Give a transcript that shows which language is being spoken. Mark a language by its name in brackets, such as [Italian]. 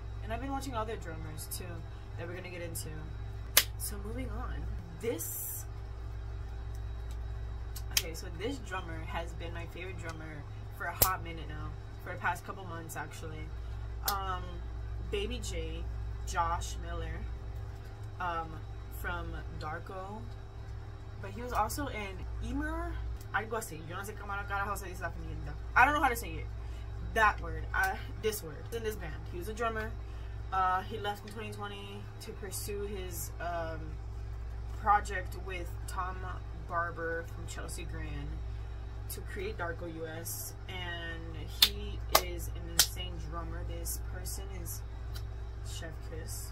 [English] And I've been watching other drummers too that we're gonna get into. So moving on, this drummer has been my favorite drummer for a hot minute now, for the past couple months actually. Baby J, Josh Miller. From Darko, but he was also in Emer. I go say, [Spanish] yo no sé cómo carajo se dice la familia. [English] I don't know how to say it. That word, this word. In this band, he was a drummer. He left in 2020 to pursue his project with Tom Barber from Chelsea Grin to create Darko US. And he is an insane drummer. This person is chef kiss.